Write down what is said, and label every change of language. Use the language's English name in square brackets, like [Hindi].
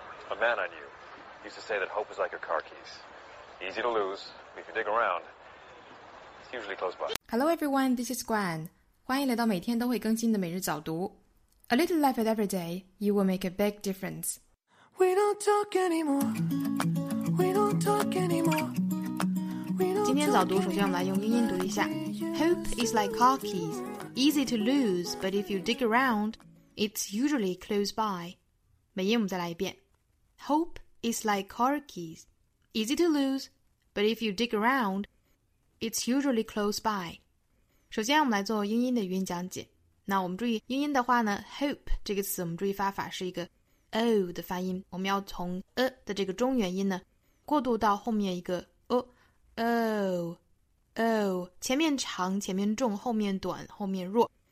[English] A man I knew used to say that hope is like your car keys. Easy to lose, but if you dig around, it's usually close by. Hello everyone, this is Gwen. [Chinese] 欢迎来到每天都会更新的每日早读。 [English] A little life at every day, you will make a big difference. We don't talk anymore. We don't talk anymore. [Chinese] 今天早读首先我们来用英音读一下。 [English] Hope is like car keys, easy to lose, but if you dig around, it's usually close by. [Chinese] 美音我们再来一遍。 [English] Hope is like car keys, easy to lose, but if you dig around, it's usually close by. [Chinese] 首先我们来做英音的语音讲解。那我们注意英音的话呢 ,hope 这个词我们注意发法是一个 o 的发音。我们要从 a 的这个中元音呢过渡到后面一个 o,o,o, 前面长前面重后面短后面弱。